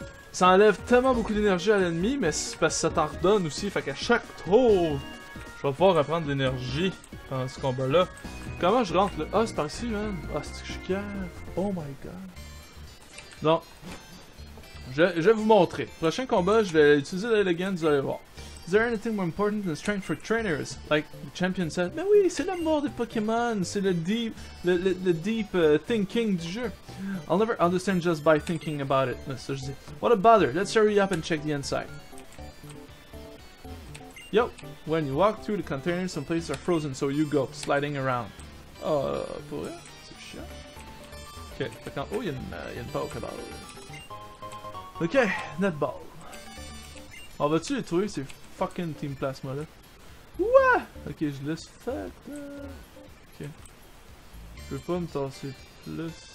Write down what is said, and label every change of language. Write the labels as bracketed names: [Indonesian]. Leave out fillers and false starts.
[French] Ça enlève tellement beaucoup d'énergie à l'ennemi, mais c'est parce que ça t'en redonne aussi. Fait qu'à chaque tour, je vais pouvoir reprendre de l'énergie pendant ce combat là. Comment je rentre là? Ah, c'est par ici, man. Ah, c'est que je suis calme. [English] Oh my god. [French] Non. Je vais vous montrer. Prochain combat, je vais utiliser l'Elegant, vous allez voir. [English] Is there anything more important than strength for trainers? Like the champion said. [French] Mais oui, c'est l'amour des Pokémon. C'est le [English] deep thinking [French] du jeu. [English] I'll never understand just by thinking about it. [French] Ça, je dis. [English] What a bother. Let's hurry up and check the inside. Yo, when you walk through the container, some places are frozen, so you go sliding around. [French] Oh, pour rien, c'est chiant. Ok, maintenant, oh, il y a une Pokéball. Ok, Netball. On va-tu les trouver ces fucking Team Plasma là? Ouah! Ok, je laisse fait. Ok. Je peux pas me tasser plus.